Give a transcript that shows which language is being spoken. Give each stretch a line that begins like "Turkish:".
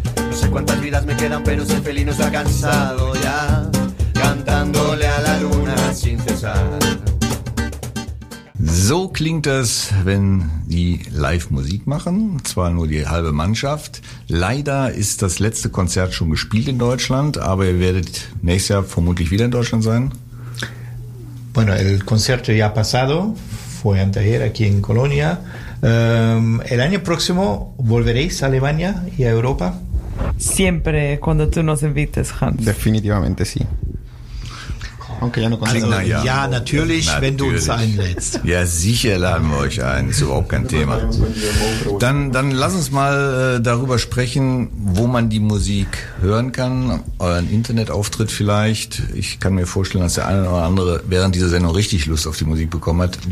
Spanish: No sé cuántas vidas me quedan, pero ese felino está cansado ya, cantándole a la luna sin cesar.
German: So klingt das, wenn die live Musik machen, zwar nur die halbe Mannschaft. Leider ist das letzte Konzert schon gespielt in Deutschland, aber ihr werdet nächstes Jahr vermutlich wieder in Deutschland sein.
Spanish: Bueno, el concierto ya pasado, fue anterior aquí en Colonia. El año próximo volveréis a Alemania y a Europa? Siempre, cuando tú nos invites, Hans. Definitivamente sí.
German: Okay, ja, natürlich, wenn du uns einlädst. Ja, sicher laden wir euch ein. Ist überhaupt kein Thema. Dann lass uns mal darüber sprechen, wo man die Musik hören kann. Euren Internetauftritt vielleicht. Ich kann mir vorstellen, dass der eine oder andere während dieser Sendung richtig Lust auf die Musik bekommen hat.